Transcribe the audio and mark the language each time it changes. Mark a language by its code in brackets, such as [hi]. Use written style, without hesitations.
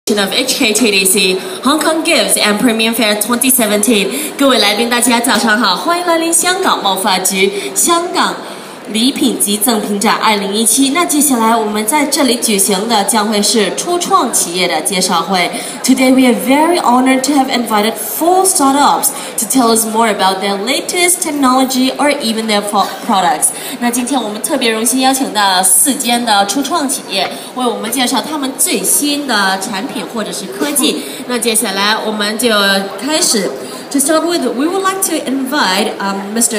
[en] edition of HKTDC Hong Kong Gifts and Premium Fair 2017. [zh] 各位来宾大家早上好，欢迎来临香港贸发局香港礼品及赠品展2017。那接下来我们在这里举行的将会是初创企业的介绍会。 [en] Today we are very honored to have invited four startups to tell us more about their latest technology or even their products. [zh] 那今天我们特别荣幸邀请到四间的初创企业为我们介绍他们最新的产品或者是科技。那接下来我们就开始。 [en] To start with, we would like to invite Mr.